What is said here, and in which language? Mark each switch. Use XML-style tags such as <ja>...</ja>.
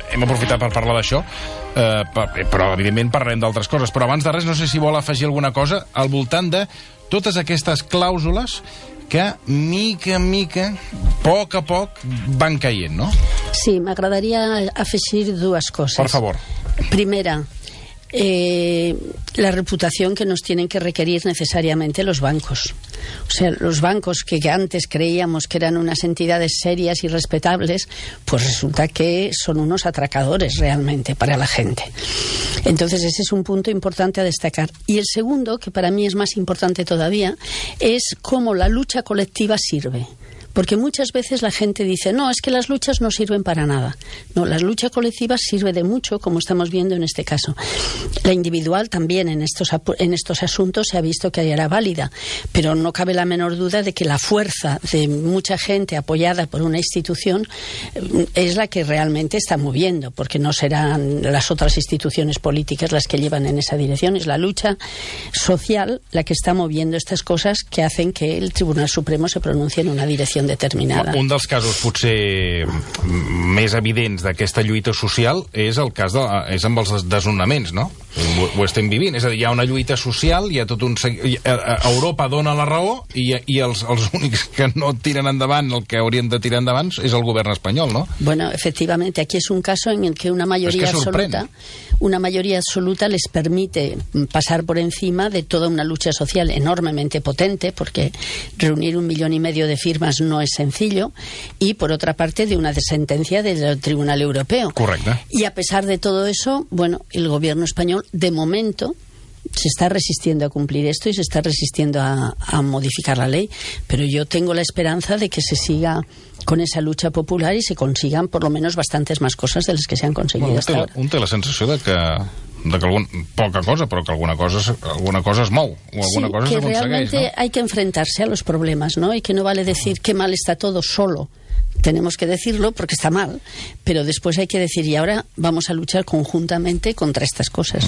<ca>Hem aprofitat per parlar d'això, però evidentment parlarem d'altres coses. Però abans de res, no sé si vol afegir alguna cosa al voltant de totes aquestes clàusules que, mica en mica, poc a poc, van caient, no? Sí, m'agradaria afegir dues coses. Per favor.</ca> <es>Primera, la reputación que nos tienen que requerir necesariamente los bancos. O sea, los bancos que antes creíamos que eran unas entidades serias y respetables, pues resulta que son unos atracadores realmente para la gente. Entonces, ese es un punto importante a destacar. Y el segundo, que para mí es más importante todavía, es cómo la lucha colectiva sirve. Porque muchas veces la gente dice, no, es que las luchas no sirven para nada. No, la lucha colectiva sirve de mucho, como estamos viendo en este caso. La individual también en estos asuntos se ha visto que era válida. Pero no cabe la menor duda de que la fuerza de mucha gente apoyada por una institución es la que realmente está moviendo, porque no serán las otras instituciones políticas las que llevan en esa dirección. Es la lucha social la que está moviendo estas cosas que hacen que el Tribunal Supremo se pronuncie en una dirección determinada.</es> <ca>Un dels casos potser més evidents d'aquesta lluita social és el cas és amb els desnonaments, no? Ho estem vivint, és a dir, hi ha una lluita social, hi ha tot un... Europa dona la raó i els únics que no tiren endavant el que haurien de tirar endavant és el govern espanyol, no?</ca> <es>Bueno,</es> <ca>efectivament, aquí és un cas en el que una majoria absoluta,</ca> <es>una majoria absoluta les permite passar por encima de toda una lucha social enormemente potente, porque reunir 1,5 millones de firmas no es sencillo, y por otra parte de una sentencia del Tribunal Europeo.</es> <ca>Correcte.</ca> <es>Y a pesar de todo eso, bueno, el gobierno español de momento se está resistiendo a cumplir esto y se está resistiendo a modificar la ley, pero yo tengo la esperanza de que se siga con esa lucha popular y se consigan por lo menos bastantes más cosas de las que se han conseguido hasta ahora.</es> <ca>Un té la sensació de que poca cosa, però que alguna cosa es mou, o alguna cosa s'aconsegueix.</ca> <es>Sí, que realmente no? Hay que enfrentarse a los problemas, ¿no? Y que no vale decir que mal está todo solo. Tenemos que decirlo porque está mal, pero después hay que decir, y ahora vamos a luchar conjuntamente contra estas cosas.</es>